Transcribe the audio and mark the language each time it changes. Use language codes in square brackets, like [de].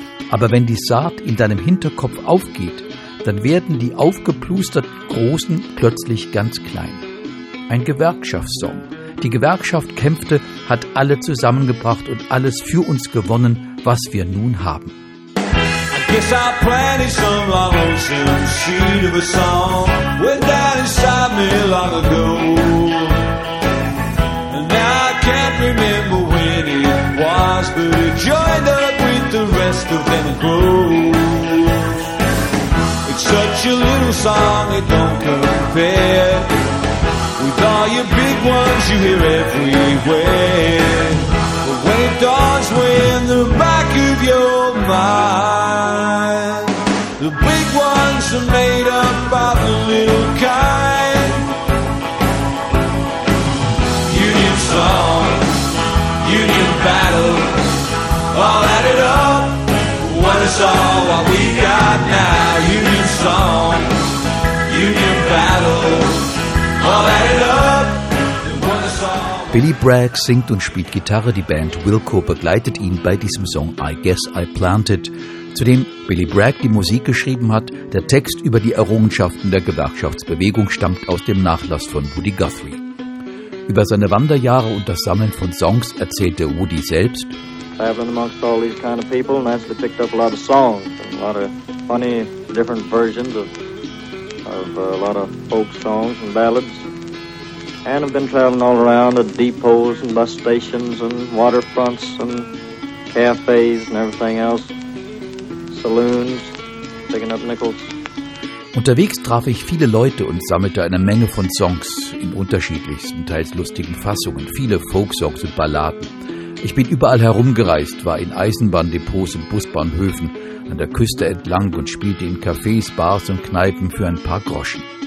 [de] Aber wenn die Saat in deinem Hinterkopf aufgeht, dann werden die aufgeplusterten Großen plötzlich ganz klein. Ein Gewerkschaftssong. Die Gewerkschaft kämpfte, hat alle zusammengebracht und alles für uns gewonnen, was wir nun haben. [en] I guess I planted some long ocean seed of a song. Went down inside me long ago. And now I can't remember when it was, but it joined up with the rest of them and grows. It's such a little song, it don't compare with all your big ones you hear everywhere. But when it dawns, we're in the back of your mind. The big ones are made up by the little kind. Union song, union battle, all added up, what is all what we got now. Union song, union battle, all added up. [de] Billy Bragg singt und spielt Gitarre, die Band Wilco begleitet ihn bei diesem Song I Guess I Planted, zu dem Billy Bragg die Musik geschrieben hat. Der Text über die Errungenschaften der Gewerkschaftsbewegung stammt aus dem Nachlass von Woody Guthrie. Über seine Wanderjahre und das Sammeln von Songs erzählte Woody selbst: [en] Traveling amongst all these kind of people and actually picked up a lot of songs and a lot of funny different versions of a lot of folk songs and ballads. And I've been traveling all around at depots and bus stations and waterfronts and cafes and everything else, saloons, picking up nickels. [de] Unterwegs traf ich viele Leute und sammelte eine Menge von Songs in unterschiedlichsten, teils lustigen Fassungen, viele Folksongs und Balladen. Ich bin überall herumgereist, war in Eisenbahndepots und Busbahnhöfen, an der Küste entlang und spielte in Cafés, Bars und Kneipen für ein paar Groschen.